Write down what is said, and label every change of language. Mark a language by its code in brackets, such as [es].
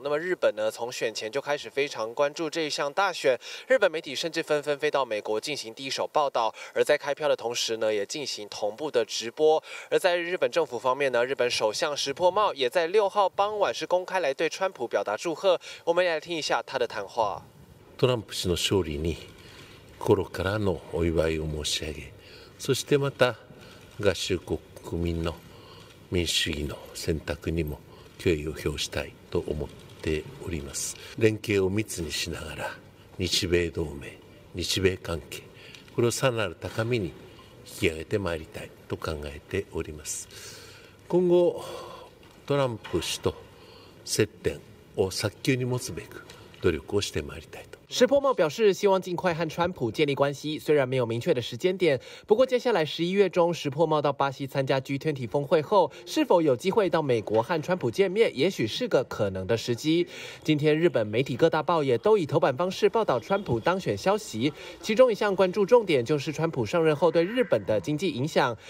[zh] 那么日本呢，从选前就开始非常关注这一项大选，日本媒体甚至纷纷飞到美国进行第一手报道，而在开票的同时呢，也进行同步的直播。而在日本政府方面呢，日本首相石破茂也在6号傍晚是公开来对川普表达祝贺。我们来听一下他的谈话。 [ja] トランプ氏の勝利に心からのお祝いを申し上げ、そしてまた合衆国国民の民主主義の選択にも敬意を表したいと思っております。連携を密にしながら、日米同盟、日米関係、これをさらなる高みに引き上げてまいりたいと考えております。今後、トランプ氏と接点を早急に持つべく努力をしてまいりたいと。 [zh] 石破茂表示，希望尽快和川普建立关系，虽然没有明确的时间点。不过，接下来11月中，石破茂到巴西参加 G20 峰会后，是否有机会到美国和川普见面，也许是个可能的时机。今天，日本媒体各大报也都以头版方式报道川普当选消息，其中一项关注重点就是川普上任后对日本的经济影响。